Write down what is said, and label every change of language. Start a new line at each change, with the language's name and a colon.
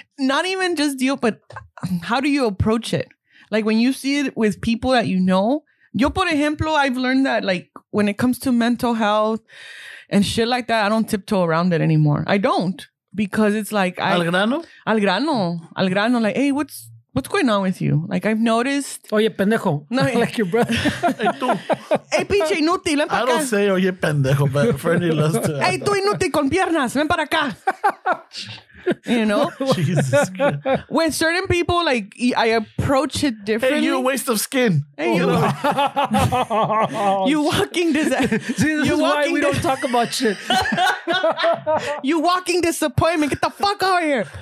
English: Not even just deal, but how do you approach it? Like, when you see it with people that you know,
Spanish: yo, por ejemplo,
English: I've learned that, like, when it comes to mental health and shit like that, I don't tiptoe around it anymore. I don't. Because it's like...
Spanish: Al grano.
English: Like, hey, what's going on with you? Like, I've noticed...
Spanish: Oye, pendejo.
English: No, like your brother. Hey,
Spanish: tú. Hey, pinche inútil, ven para acá.
English: I don't say,
Spanish: oye, pendejo,
English: but Freddy loves to...
Spanish: Hey, tú inútil con piernas, ven para acá.
English: You know? Jesus. When certain people, like, I approach it differently. Hey, you're a waste of skin. Hey, you. You walking disappointment. This is walking, why we don't talk about shit. You walking disappointment. Get the fuck out of here.